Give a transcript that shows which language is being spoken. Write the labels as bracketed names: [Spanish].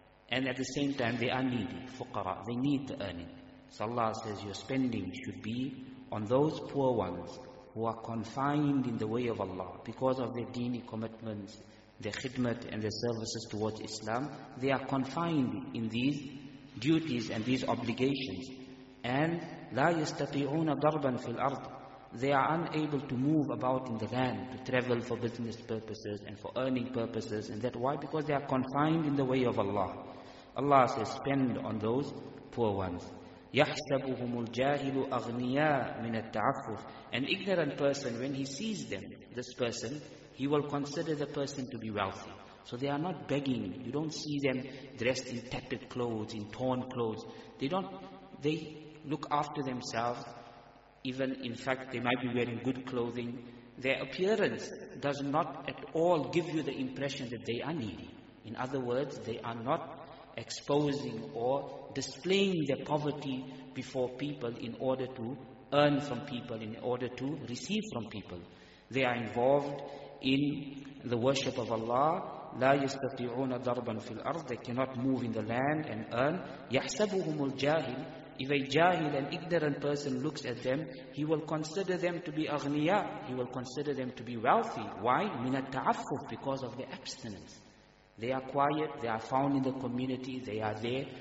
[English] And at the same time, they are needy, fuqara, they need the earning. So Allah says, your spending should be on those poor ones who are confined in the way of Allah because of their deeni commitments, their khidmat and their services towards Islam. They are confined in these duties and these obligations. [Arabic] And لا يستطيعون ضربا في الأرض. [English] They are unable to move about in the land, to travel for business purposes and for earning purposes. And that why? Because they are confined in the way of Allah. Allah says, spend on those poor ones. [Arabic] يَحْسَبُهُمُ الْجَاهِلُ أَغْنِيَا مِنَ التَّعَفُّفِ. [English] An ignorant person, when he sees them, this person, he will consider the person to be wealthy. So they are not begging. You don't see them dressed in tattered clothes, in torn clothes. They look after themselves even in fact they might be wearing good clothing, their appearance does not at all give you the impression that they are needy. In other words, they are not exposing or displaying their poverty before people in order to earn from people, in order to receive from people. They are involved in the worship of Allah. [Arabic] لا يستطيعون ضربا في الأرض. [English] They cannot move in the land and earn. [Arabic] يحسبهم الجاهل. [English] If a jahil, an ignorant person, looks at them, he will consider them to be [Arabic] أغنياء. [English] He will consider them to be wealthy. Why? [Arabic] من التعفف. [English] Because of the abstinence. They are quiet, they are found in the community, they are there.